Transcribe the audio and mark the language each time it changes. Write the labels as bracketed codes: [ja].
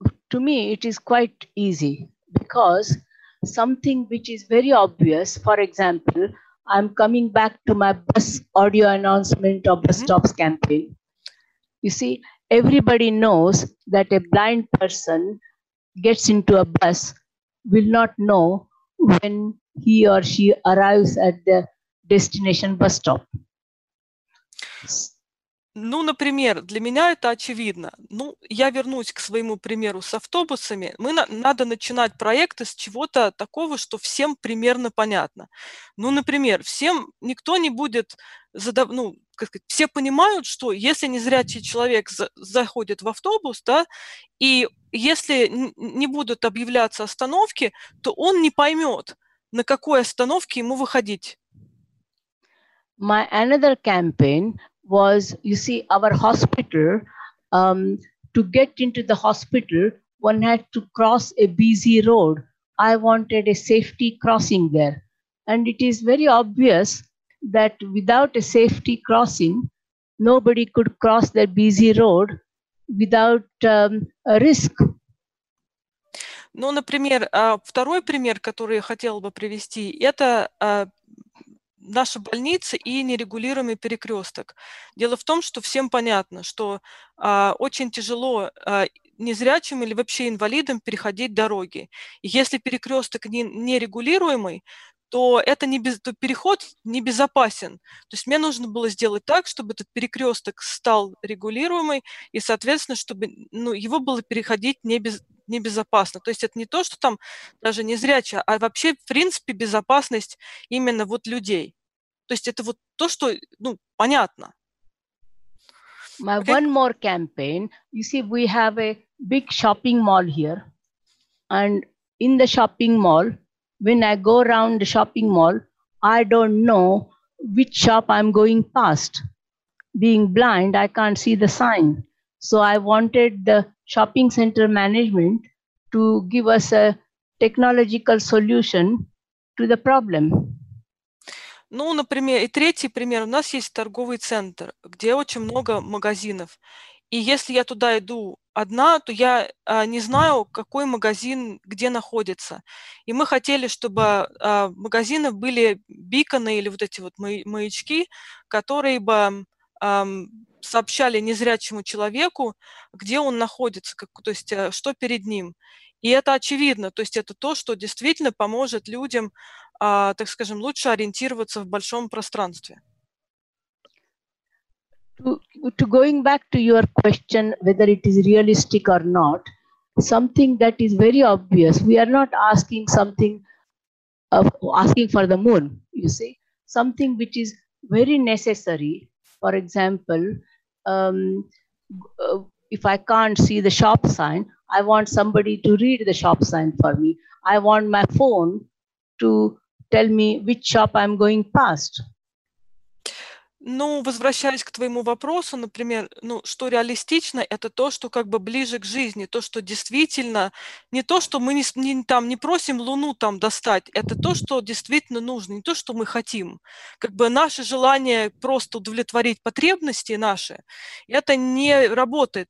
[en] To me, it is quite easy because something which is very obvious, for example, I'm coming back to my bus audio announcement of the mm-hmm. stops campaign. You see, everybody knows that a blind person gets into a bus will not know when he or she arrives at the destination bus stop. [ru] Ну, например, для меня это очевидно. Ну, я вернусь к своему примеру с автобусами. Мы надо начинать проекты с чего-то такого, что всем примерно понятно. Ну, например, всем никто не будет задавать, ну, как сказать, все понимают, что если незрячий человек заходит в автобус, да, и если не будут объявляться остановки, то он не поймет, на какой остановке ему выходить. [en] My another campaign was, you see, our hospital, to get into the hospital, one had to cross a busy road. I wanted a safety crossing there. And it is very obvious that without a safety crossing, nobody could cross that busy road without a risk. [ru] Ну, например, второй пример, который я хотела бы привести, это наша больница и нерегулируемый перекресток. Дело в том, что всем понятно, что очень тяжело незрячим или вообще инвалидам переходить дороги. И если перекресток нерегулируемый, то это то переход небезопасен. То есть мне нужно было сделать так, чтобы этот перекресток стал регулируемый, и, соответственно, чтобы ну, его было переходить небезопасно. То есть это не то, что там даже незрячие, а вообще, в принципе, безопасность именно вот людей. То есть это вот то, что, ну, понятно. [en] My one more campaign. You see, we have a big shopping mall here. And in the shopping mall, when I go around the shopping mall, I don't know which shop I'm going past. Being blind, I can't see the sign. So I wanted the shopping center management to give us a technological solution to the problem. [ru] Ну, например, и третий пример. У нас есть торговый центр, где очень много магазинов. И если я туда иду одна, то я не знаю, какой магазин где находится. И мы хотели, чтобы магазины были биконы или вот эти вот маячки, которые бы сообщали незрячему человеку, где он находится, то есть что перед ним. И это очевидно, то есть это то, что действительно поможет людям, так скажем, лучше ориентироваться в большом пространстве. [en] To going back to your question, whether it is realistic or not, something that is very obvious, we are not asking something, asking for the moon, you see, something which is very necessary, for example, if I can't see the shop sign, I want somebody to read the shop sign for me. I want my phone to tell me which shop I'm going past. [ru] Ну, возвращаясь к твоему вопросу, например, ну, что реалистично, это то, что как бы ближе к жизни, то, что действительно, не то, что мы не просим Луну там достать, это то, что действительно нужно, не то, что мы хотим. Как бы наше желание просто удовлетворить потребности наши, это не работает.